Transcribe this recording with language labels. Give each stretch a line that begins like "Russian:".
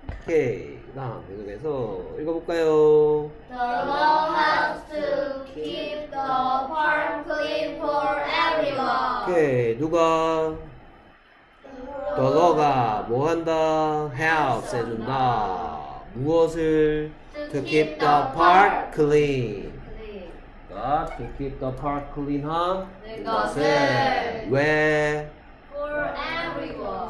Korean: 오케이, 다음 계속해서 읽어볼까요?
English: law has to keep the farm clean for everyone.
Korean: 오케이, 누가?
English: The law
Korean: 가 뭐 한다? Help 해준다. 무엇을? To
English: keep keep the the park park clean. clean. 아, to keep the park clean, 하?
Korean: 무엇을?
English: Because Where? for